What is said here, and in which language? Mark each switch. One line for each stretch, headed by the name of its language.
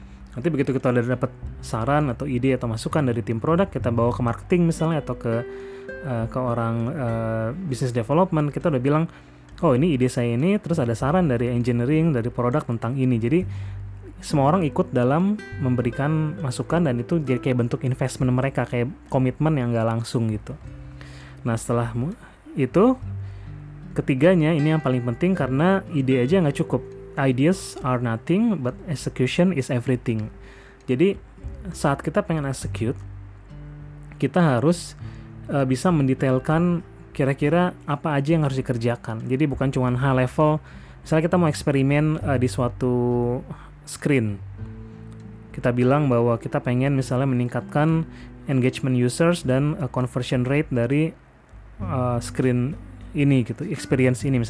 Indonesian: Nanti begitu kita udah dapat saran atau ide atau masukan dari tim produk, kita bawa ke marketing misalnya atau ke orang business development, kita udah bilang, oh ini ide saya ini, terus ada saran dari engineering, dari produk tentang ini. Jadi semua orang ikut dalam memberikan masukan dan itu jadi kayak bentuk investment mereka, kayak komitmen yang nggak langsung gitu. Nah setelah itu, ketiganya ini yang paling penting karena ide aja nggak cukup.
English: Ideas are nothing, but execution is everything.
Indonesian: Jadi saat kita pengen execute, kita harus bisa mendetailkan kira-kira apa aja yang harus dikerjakan. Jadi bukan cuma high level, misalnya kita mau eksperimen di suatu screen, kita bilang bahwa kita pengen misalnya meningkatkan engagement users dan conversion rate dari screen ini gitu, experience ini.